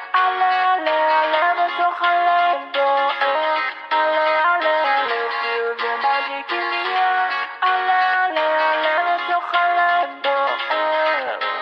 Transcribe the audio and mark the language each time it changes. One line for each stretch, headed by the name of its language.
Hebrew: Ale, ale, ale, בתוך הלב בוער.
English: Ale, ale, ale, feel the magic in the air.
Hebrew: Ale, ale, ale, בתוך הלב בוער.